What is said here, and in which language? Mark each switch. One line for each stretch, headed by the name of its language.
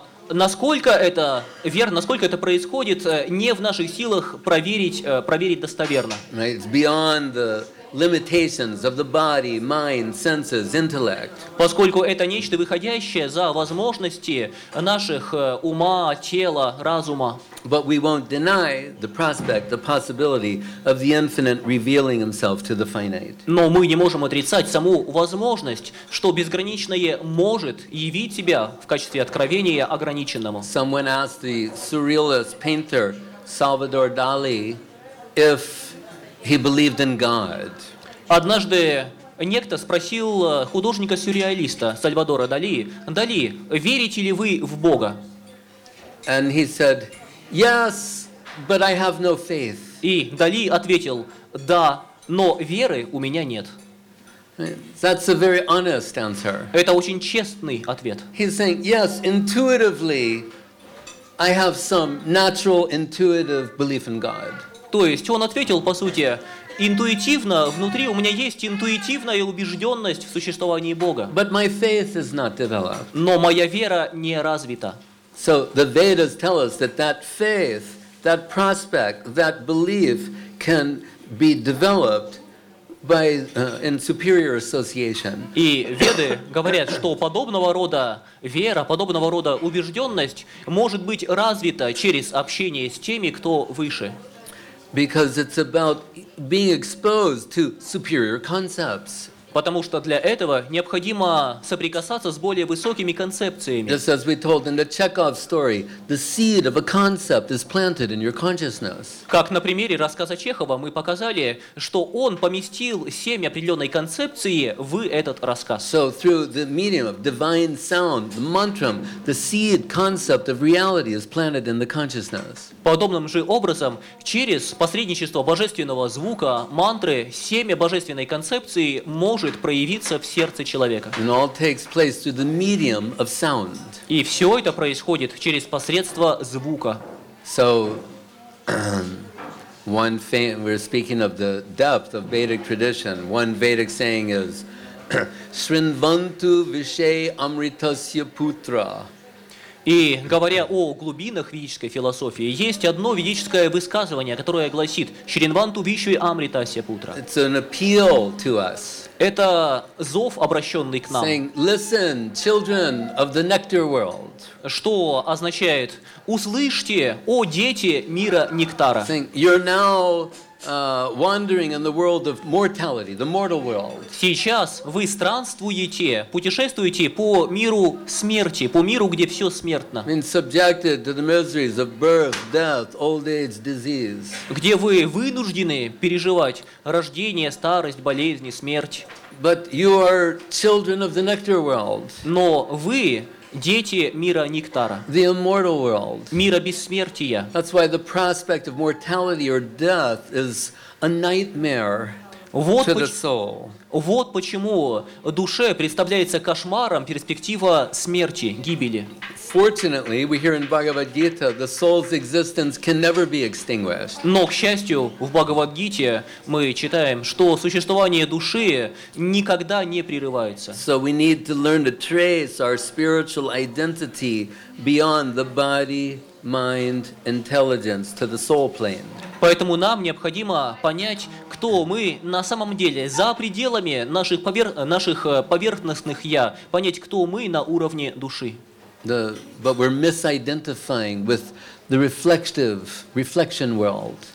Russian: Насколько это верно, насколько это происходит, не в наших силах проверить достоверно.
English: Right, it's beyond the limitations of the body, mind, senses, intellect.
Russian: Поскольку это нечто выходящее за возможности наших ума, тела, разума.
English: But we won't deny the prospect, the possibility of the infinite revealing himself to the finite.
Russian: Но мы не можем отрицать саму возможность, что безграничное может явить себя в качестве откровения ограниченному.
English: Someone asked the surrealist painter Salvador Dali if he believed in God.
Russian: Однажды некто спросил художника-сюрреалиста Сальвадора Дали: «Дали, верите ли вы в Бога?»
English: And he said, "Yes, but I have no faith."
Russian: И Дали ответил: «Да, но веры у меня нет».
English: That's a very honest answer.
Russian: Это очень честный ответ.
English: He's saying, "Yes, intuitively, I have some natural, intuitive belief in God."
Russian: То есть он ответил, по сути, интуитивно, внутри у меня есть интуитивная убежденность в существовании Бога.
English: But my faith is not developed.
Russian: Но моя вера не развита.
English: So the Vedas tell us that that faith, that prospect, that belief can be developed by in superior association.
Russian: И Веды говорят, что подобного рода вера, подобного рода убежденность может быть развита через общение с теми, кто выше.
English: Because it's about being exposed to superior concepts.
Russian: Потому что для этого необходимо соприкасаться с более высокими концепциями.
English: Just as we told in the Chekhov story, the seed of a concept is planted in your consciousness.
Russian: Как на примере рассказа Чехова мы показали, что он поместил семя определенной концепции в этот рассказ.
English: So through the medium of divine sound, the mantra, the seed concept of reality is planted in the consciousness.
Russian: Подобным же образом, через посредничество божественного звука, мантры, семя божественной концепции может проявиться в сердце человека.
English: And all takes place through the medium of sound.
Russian: И все это происходит через посредство звука.
English: So, one thing, we're speaking of the depth of Vedic tradition. One Vedic saying is,
Sanskrit: Shrinvantu Vishe Amritasya Putra.
Russian: И говоря о глубинах ведической философии, есть одно ведическое высказывание, которое гласит
Sanskrit: «Шринванту вишви амритасья путра».
English: It's an appeal to us.
Russian: Это зов, обращенный к нам.
English: Saying, listen, children of the nectar world.
Russian: Что означает «Услышьте, о дети мира нектара».
English: Saying, you're now wandering in the world of mortality, the mortal world.
Russian: Сейчас вы странствуете, путешествуете по миру смерти, по миру, где все смертно.
English: Being subjected to the miseries of birth, death, old age, disease.
Russian: Где вы вынуждены переживать рождение, старость, болезни, смерть.
English: But you are children of the nectar world.
Russian: Но вы дети мира нектара.
English: The immortal world.
Russian: Мира бессмертия.
English: That's why the prospect of mortality or death is a nightmare to the soul.
Russian: Вот почему душе представляется кошмаром перспектива смерти, гибели.
English: Fortunately, we hear in Bhagavad Gita the soul's existence can never be extinguished.
Russian: Но, к счастью, в Бхагавад Гите мы читаем, что существование души никогда не прерывается.
English: So we need to learn to trace our spiritual identity beyond the body, mind, intelligence to the soul plane.
Russian: Поэтому нам необходимо понять, кто мы на самом деле, за пределами наших поверхностных «я», понять, кто мы на уровне души.
English: But we're misidentifying with the reflection world.